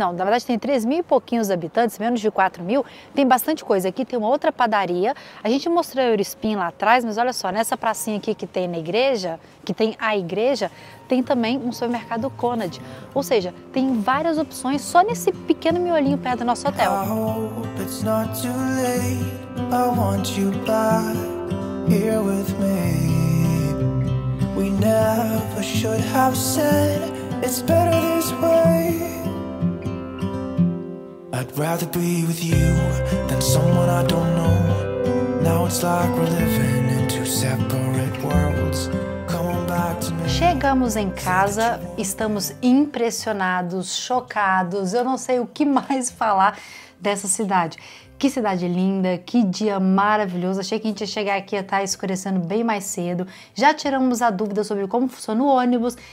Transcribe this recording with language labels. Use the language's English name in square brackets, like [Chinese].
[Portuguese] Não, na verdade tem 3 mil e pouquinhos habitantes, menos de 4 mil, tem bastante coisa. Aqui tem uma outra padaria. A gente mostrou a Eurispin lá atrás, mas olha só, nessa pracinha aqui que tem na igreja, que tem a igreja, tem também um supermercado Conad. Ou seja, tem várias opções só nesse pequeno miolinho perto do nosso hotel. [English] I hope it's not too late. I want you back here with me. We never should have said it's better this way. I'd rather be with you than someone I don't know. Now it's like we're living in two separate worlds. [Portuguese] Chegamos em casa, estamos impressionados, chocados. Eu não sei o que mais falar dessa cidade. Que cidade linda, que dia maravilhoso. Achei que a gente ia chegar aqui e ia estar escurecendo bem mais cedo. Já tiramos a dúvida sobre como funciona o ônibus.